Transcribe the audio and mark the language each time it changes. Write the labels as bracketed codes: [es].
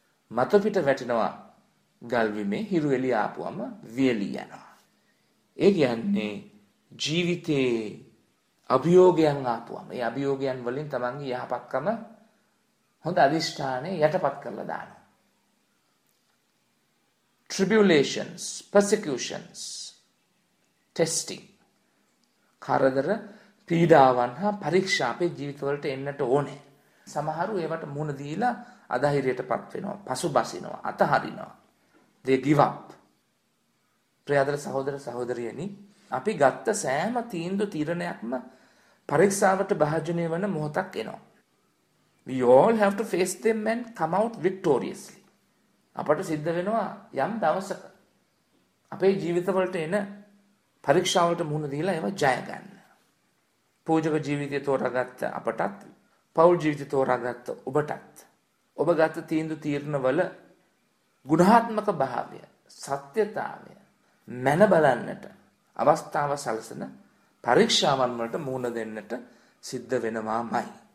[si] මතපිට වැටෙනවා ගල් විමේ හිරු එළිය ආපුවම වියලී යනවා. ඒ කියන්නේ ජීවිතේ අභියෝගයන් ආපුවම ඒ අභියෝගයන් වලින් තමන්ගේ යහපත්කම හොඳ අදිෂ්ඨානෙ යටපත් කරලා දානවා. [en] Tribulations, persecutions, testing. [si] කරදර පීඩාවන් හා පරීක්ෂා අපේ ජීවිතවලට එන්නට ඕනේ. සමහරු ඒවට මුහුණ දීලා අධෛර්යයටපත් වෙනවා, පසුබසිනවා, අතහරිනවා. [en] They give up. [si] ප්‍රියදර සහෝදර සහෝදරියනි, අපි ගත්ත සෑම තීන්දුව තීරණයක්ම පරීක්ෂාවට භාජනය වන මොහොතක් එනවා. [en] We all have to face them and come out victoriously. [si] අපට සිද්ධ වෙනවා යම් දවසක අපේ ජීවිතවලට එන පරීක්ෂාවට මුහුණ දීලා ඒවා ජය ගන්න. පූජක ජීවිතය තෝරාගත්ත අපටත්, පෞල් ජීවිතය තෝරාගත්ත ඔබටත් ඔබ ගත තීන්දු තීරණවල ගුණාත්මක භාවය, සත්‍යතාවය මැන බලන්නට අවස්ථාව සලසන පරීක්ෂාවන් වලට මුහුණ දෙන්නට සිද්ධ වෙනවාමයි.